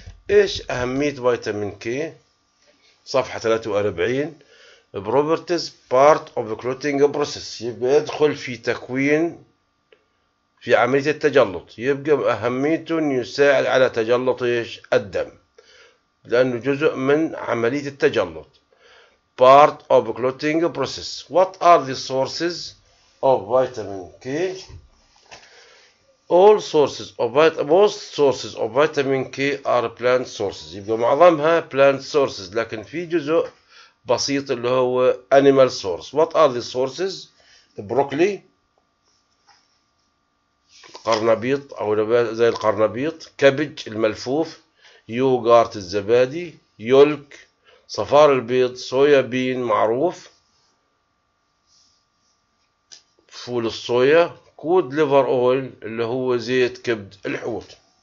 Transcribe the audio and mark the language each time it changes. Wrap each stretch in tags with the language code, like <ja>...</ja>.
<ar>ايش اهمية فيتامين كي؟ صفحة 43.</ar> <en>properties part of clotting process,</en> <ar>يبقى يدخل في تكوين في عملية التجلط، يبقى أهميته أن يساعد على تجلط إيش؟ الدم، لأنه جزء من عملية التجلط.</ar> <en>Part of clotting process. What are the sources of vitamin K? All sources of most sources of vitamin K are plant sources.</en> <ar>يبقى معظمها plant sources، لكن في جزء بسيط اللي هو animal source.</ar> <en>What are the sources? Broccoli.</en> <ar>قرنبيط او نبات زي القرنبيط، كبج الملفوف، يوغارت الزبادي، يولك صفار البيض، صويا بين معروف، فول الصويا، كود ليفر اويل اللي هو زيت كبد الحوت.</ar>